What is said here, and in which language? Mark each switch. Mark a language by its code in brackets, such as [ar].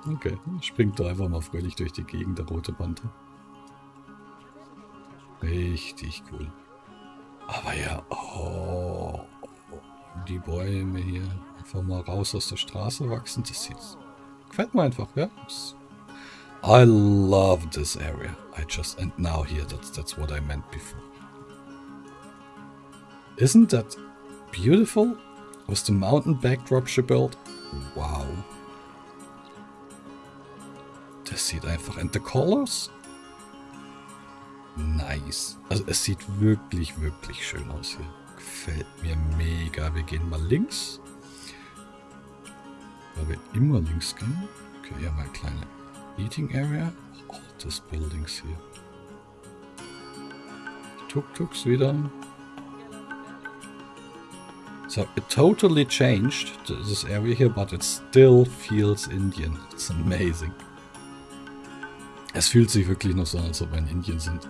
[de] Okay, springt einfach mal fröhlich durch die Gegend, der rote Panda. Richtig cool. Aber ja, oh, die Bäume hier einfach mal raus aus der Straße wachsen, das sieht's. Gefällt mir einfach, ja. [en] I love this area. I just, and now here, that's what I meant before. Isn't that beautiful? With the mountain backdrop she built? Wow. [de] Das sieht einfach, [en] and the colors? Nice. [de] Also es sieht wirklich, wirklich schön aus hier. Gefällt mir mega. Wir gehen mal links. Weil wir immer links gehen. Okay, hier mal eine kleine [en] eating area. All these buildings here. [de] Tuk-tuks wieder. [en] So it totally changed this area here, but it still feels Indian. It's amazing. [de] Es fühlt sich wirklich noch so an, als ob wir in Indien sind.